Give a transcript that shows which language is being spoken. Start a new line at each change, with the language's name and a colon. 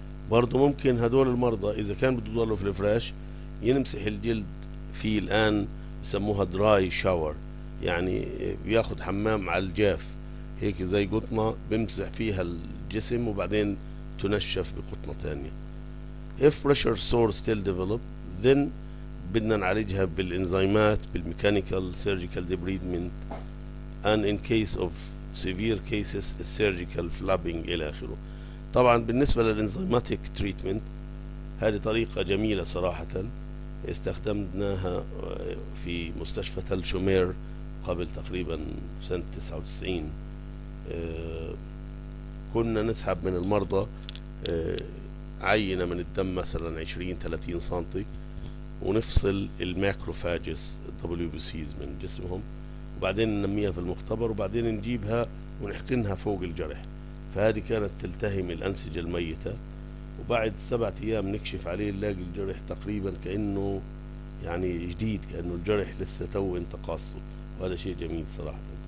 Arabic: برضه ممكن هدول المرضى اذا كان بده يضلوا في الفراش يمسح الجلد، في الان يسموها دراي شاور يعني بياخد حمام على الجاف هيك زي قطنة بمسح فيها الجسم وبعدين تنشف بقطنة تانية.
English: if pressure sore still develop then
Arabic: بدنا نعالجها بالانزيمات بالميكانيكال سيرجيكال ديبريدمنت
English: and in case of severe cases surgical flapping
Arabic: الى اخره. طبعا بالنسبة للإنزيماتيك تريتمنت هذه طريقة جميلة صراحة، استخدمناها في مستشفى تل شومير قبل تقريبا سنة 99. كنا نسحب من المرضى عينة من الدم مثلا 20-30 سنتي ونفصل الماكروفاجس WBCs من جسمهم وبعدين ننميها في المختبر وبعدين نجيبها ونحقنها فوق الجرح، فهذه كانت تلتهم الأنسجة الميتة وبعد 7 أيام نكشف عليه نلاقي الجرح تقريبا كأنه يعني جديد كأنه الجرح لسه تو انتقاصه، وهذا شيء جميل صراحة.